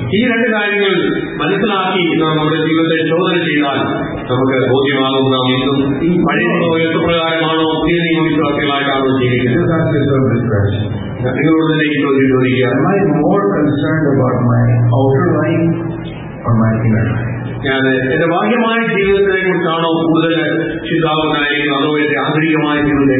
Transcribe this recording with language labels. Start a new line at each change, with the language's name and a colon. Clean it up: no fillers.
Malayalam: ഈ രണ്ട് കാര്യങ്ങൾ മനസ്സിലാക്കി നാം നമ്മുടെ ജീവിതത്തെ ചോദന ചെയ്താൽ നമുക്ക് ബോധ്യമാകും നാം ഇന്നും ഈ പഴയ നിയമപ്രകാരമാണോ പുതിയ നിയമവിശ്വാസികളായിട്ടാണോ ജീവിക്കുന്നത്.
English: Am I more concerned about my outer life or my inner life?
Malayalam: ഞാൻ എന്റെ ബാഹ്യമായ ജീവിതത്തിനെ കുറിച്ചാണോ കൂടുതൽ ചിന്താവ് കാര്യങ്ങൾ അതോ എന്റെ ആന്തരികമായ ജീവിതത്തെ